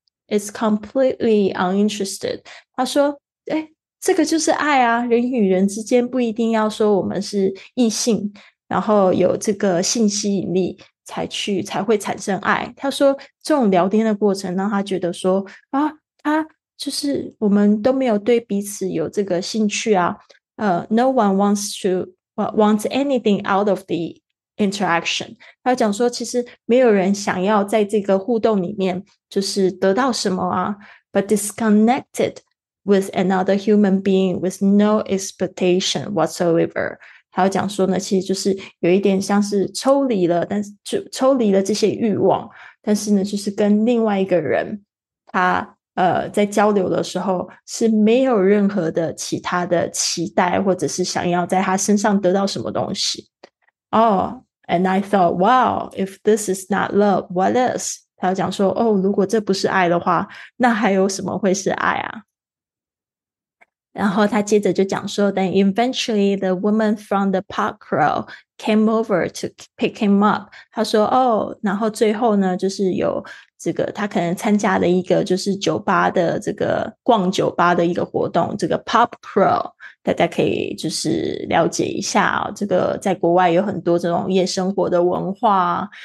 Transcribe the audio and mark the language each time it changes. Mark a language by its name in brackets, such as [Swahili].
[English] it's completely uninterested, [Chinese] 他说诶这个就是爱啊，人与人之间不一定要说我们是异性，然后有这个性吸引力才会产生爱。他说这种聊天的过程让他觉得说啊，他就是我们都没有对彼此有这个兴趣啊。 [English] No one wants anything out of the interaction. [Chinese] 他讲说其实没有人想要在这个互动里面就是得到什么啊。 [English] But disconnected with another human being with no expectation whatsoever. [Chinese] 还有讲说呢，其实就是有一点像是抽离了，但是就抽离了这些欲望，但是呢，就是跟另外一个人，他在交流的时候是没有任何的其他的期待，或者是想要在他身上得到什么东西。 [English] Oh, and I thought, wow, if this is not love, what is? [Chinese] 他要讲说，哦，如果这不是爱的话，那还有什么会是爱啊？然后他接着就讲说 [English] Then eventually the woman from the park row came over to pick him up. [Chinese] 他说哦，然后最后呢就是有这个他可能参加了一个就是酒吧的这个逛酒吧的一个活动，这个 park row 大家可以就是了解一下、哦、这个在国外有很多这种夜生活的文化，